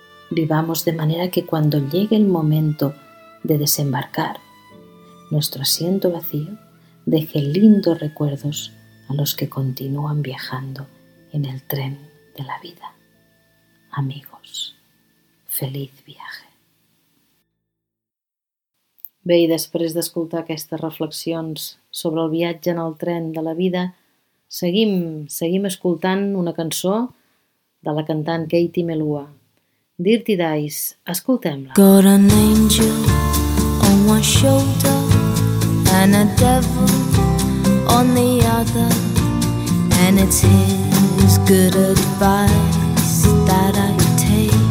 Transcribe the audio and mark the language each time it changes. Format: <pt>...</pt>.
<es>Vivamos de manera que cuando llegue el momento de desembarcar, nuestro asiento vacío deje lindos recuerdos a los que continúan viajando en el tren de la vida. Amigos, Feliz viaje.</es> <ca>Bé, i després d'escoltar aquestes reflexions sobre el viatge en el tren de la vida, seguim escoltant una cançó de la cantant Katie Melua. Dirty Dice, escoltem-la.</ca> <en>Got an angel on one shoulder and a devil on the other, and it's his good advice that I take.</en>